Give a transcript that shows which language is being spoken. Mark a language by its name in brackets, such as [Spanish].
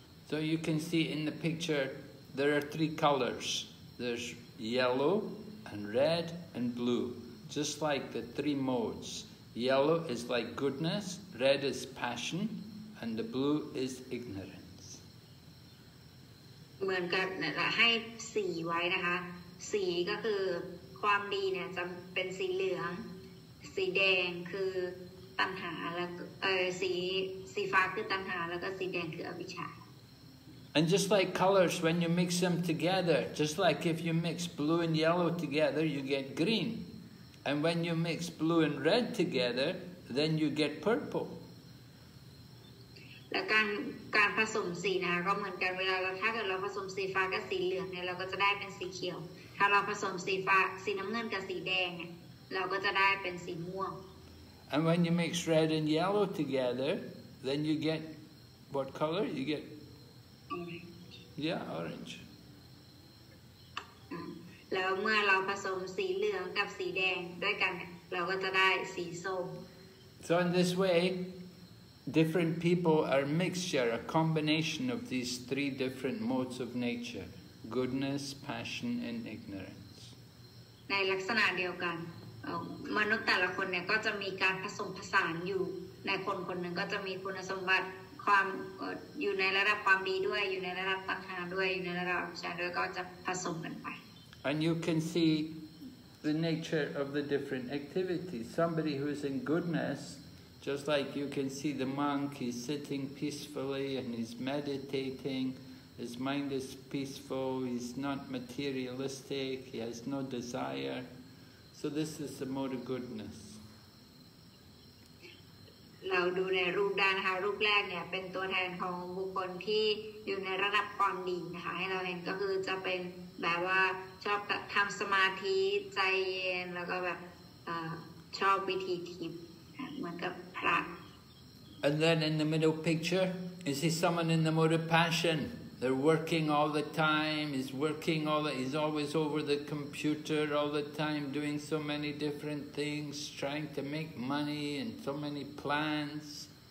[English] So you can see in the picture, there are three colors. There's yellow, and red and blue, just like the three modes. Yellow is like goodness, red is passion, and the blue is ignorance. [Thai] เหมือนกับให้สีไว้นะคะสีก็คือความดีเนี่ยจะเป็นสีเหลืองสีแดงคือตัณหาแล้วสีฟ้าคือตัณหาแล้วก็สีแดงคืออวิชชา [English] And just like colors, when you mix them together, just like if you mix blue and yellow together, you get green. And when you mix blue and red together, then you get purple. [Thai] และการผสมสีนะคะก็เหมือนกันเวลาถ้าเกิดเราผสมสีฟ้ากับสีเหลืองเนี่ยเราก็จะได้เป็นสีเขียวถ้าเราผสมสีฟ้าสีน้ำเงินกับสีแดงเราก็จะได้เป็นสีม่วง [English] And when you mix red and yellow together, then you get what color? You get orange. Yeah, orange. [Thai] แล้วเมื่อเราผสมสีเหลืองกับสีแดงด้วยกันเราก็จะได้สีส้ม [English] So in this way, different people are a mixture, a combination of these three different modes of nature: goodness, passion, and ignorance. [Thai] ในลักษณะเดียวกันมนุษย์แต่ละคนเนี่ยก็จะมีการผสมผสานอยู่ในคนคนหนึ่งก็จะมีคุณสมบัติความอยู่ในระดับความดีด้วยอยู่ในระดับตัณหาด้วยอยู่ในระดับอวิชชาด้วยก็จะผสมกันไป [English] And you can see the nature of the different activities. Somebody who is in goodness, just like you can see the monk, he's sitting peacefully and he's meditating. His mind is peaceful. He's not materialistic. He has no desire. So this is the mode of goodness. [Thai] เราดูในรูปด้านนะคะรูปแรกเนี่ยเป็นตัวแทนของบุคคลที่อยู่ในระดับความดีนะคะให้เราเห็นก็คือจะเป็นแบบว่าชอบทำสมาธิใจเย็นแล้วก็แบบชอบวิธีทิพย์เหมือนกับพระ [English] And then in the middle picture, you see someone in the mode of passion. They're working all the time, he's working all the time, he's always over the computer all the time, doing so many different things, trying to make money and so many plans.